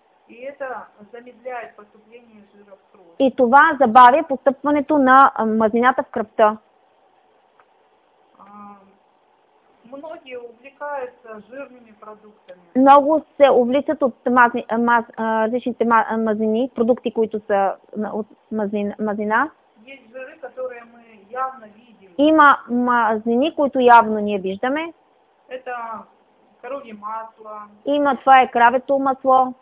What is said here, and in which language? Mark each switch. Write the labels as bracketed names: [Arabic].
[Russian] И это замедляет поступление жира в кровь. [Bulgarian] И това забавя постъпването на мазнината в кръвта. [Russian] Многие увлекаются жирными продуктами. [Bulgarian] Много се увличат от различните мазнини, продукти, които са от мазнина. [Russian] Есть жиры, которые мы явно видим. [Bulgarian] Има мазнини, които явно ние виждаме. [Russian] Это коровье масло. [Bulgarian] Има, това е кравето масло.